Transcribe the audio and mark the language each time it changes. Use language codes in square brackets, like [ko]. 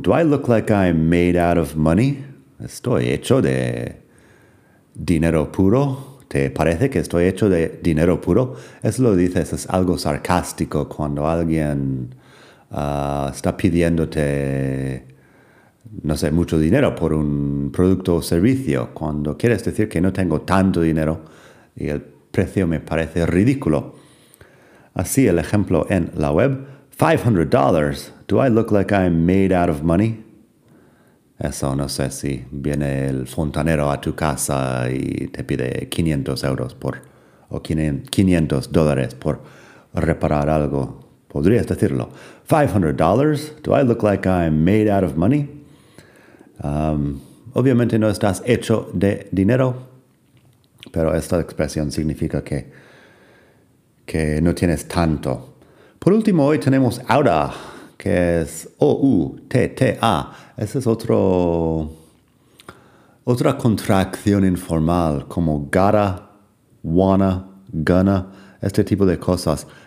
[en] Do I look like I'm made out of money? [es] Estoy hecho de dinero puro. ¿Te parece que estoy hecho de dinero puro? Eso lo dices, es algo sarcástico cuando alguien está pidiéndote, no sé, mucho dinero por un producto o servicio. Cuando quieres decir que no tengo tanto dinero y el precio me parece ridículo. Así el ejemplo en la web. $500. [en] Do I look like I'm made out of money? [es] Eso no sé si viene el fontanero a tu casa y te pide $500 por o $500 por reparar algo. Podrías decirlo. $500. [en] Do I look like I'm made out of money? [es] Obviamente no estás hecho de dinero, pero esta expresión significa que no tienes tanto. Por último, hoy tenemos outa, que es O-U-T-T-A. Esa es otra contracción informal, como gotta, wanna, gonna, este tipo de cosas.